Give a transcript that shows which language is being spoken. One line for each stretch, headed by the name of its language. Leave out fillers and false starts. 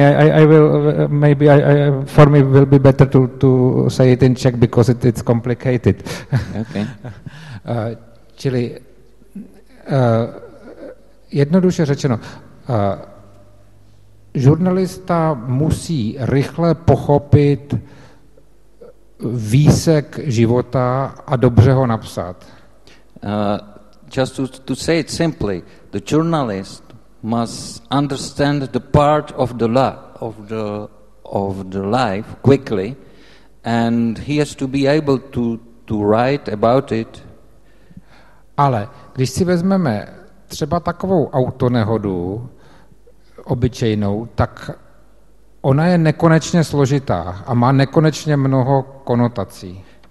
English: I will will be better to say it in Czech because it's complicated. Okay.
Czech: Čili jednoduše řečeno, žurnalista musí rychle pochopit výsek života a dobře ho napsat.
English: Just to say it simply, the journalist must understand the part of the life quickly, and he has to be able to write about it.
Czech: Ale když si vezmeme třeba takovou autonehodu obyčejnou, tak ona je nekonečně složitá a má nekonečně mnoho konotací.